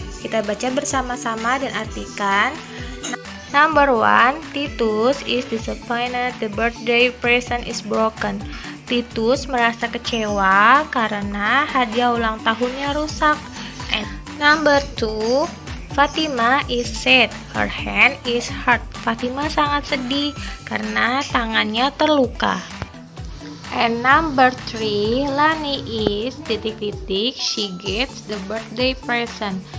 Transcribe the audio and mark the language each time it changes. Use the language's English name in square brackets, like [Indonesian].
[Indonesian] Kita baca bersama-sama dan artikan. [English] Number 1, Titus is disappointed. The birthday present is broken. [Indonesian] Titus merasa kecewa karena hadiah ulang tahunnya rusak. [English] And number 2, Fatima is sad. Her hand is hurt. [Indonesian] Fatima sangat sedih karena tangannya terluka. [English] And number 3, Lani is titik-titik. She gets the birthday present.